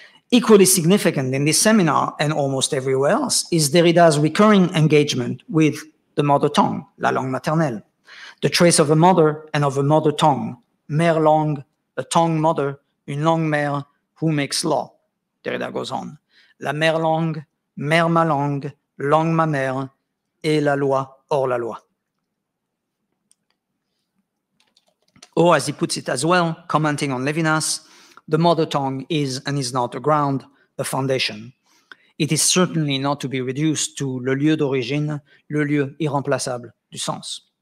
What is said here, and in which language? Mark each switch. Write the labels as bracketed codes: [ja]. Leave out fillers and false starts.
[en] Equally significant in this seminar and almost everywhere else is Derrida's recurring engagement with the mother tongue, la langue maternelle, the trace of a mother and of a mother tongue, mère langue, a tongue mother, une langue mère, who makes law, Derrida goes on. [fr] La mère langue, mère ma langue, langue ma mère, et la loi hors la loi. [en] Or, as he puts it as well, commenting on Levinas, the mother tongue is and is not a ground, a foundation. It is certainly not to be reduced to [fr] le lieu d'origine, le lieu irremplaçable du sens.